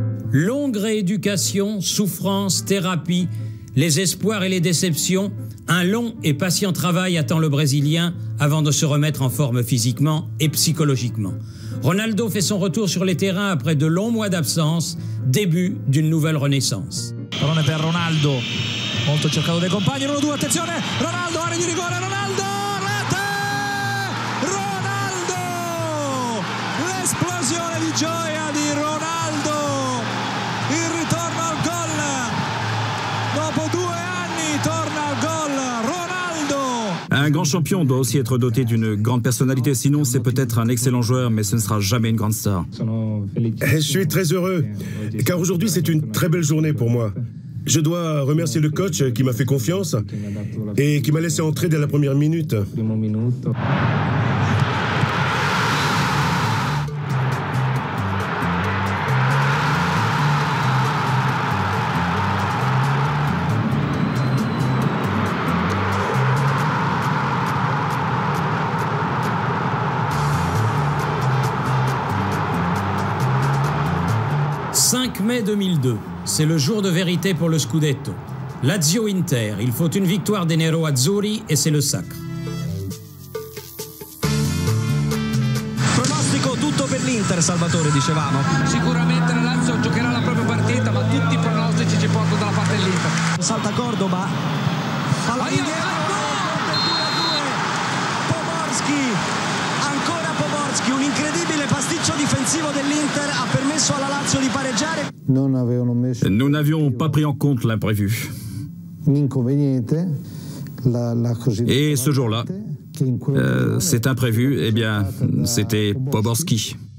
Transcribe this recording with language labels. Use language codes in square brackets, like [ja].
[fr] Longue rééducation, souffrance, thérapie, les espoirs et les déceptions, un long et patient travail attend le Brésilien avant de se remettre en forme physiquement et psychologiquement. Ronaldo fait son retour sur les terrains après de longs mois d'absence, début d'une nouvelle renaissance. [it] Parole per Ronaldo, molto cercato dei compagni, 1-2, attenzione, Ronaldo, area di rigore, Ronaldo, rete, Ronaldo, l'esplosione di gioia di Ronaldo, il ritorno al gol, dopo due anni torna al gol Ronaldo. [fr] Un grand champion doit aussi être doté d'une grande personnalité, sinon c'est peut-être un excellent joueur, mais ce ne sera jamais une grande star. Je suis très heureux, car aujourd'hui c'est une très belle journée pour moi. Je dois remercier le coach qui m'a fait confiance et qui m'a laissé entrer dès la première minute. Mai 2002, c'est le jour de vérité pour le Scudetto. Lazio-Inter, il faut une victoire des Nero Azzurri et c'est le sacre. [it] Pronostico tutto per l'Inter, Salvatore, dicevamo. Sicuramente la Lazio giocherà la propria partita, ma tutti i pronostici ci portano dalla parte dell'Inter. Salta Cordoba. Alla linea. Gol! 2-2. Pomorski. Ancora Pomorski, un incredibile pasticcio difensivo dell'Inter ha permesso alla Lazio di pareggiare. [fr] Nous n'avions pas pris en compte l'imprévu. Et ce jour-là, cet imprévu, eh bien, c'était Pomorski.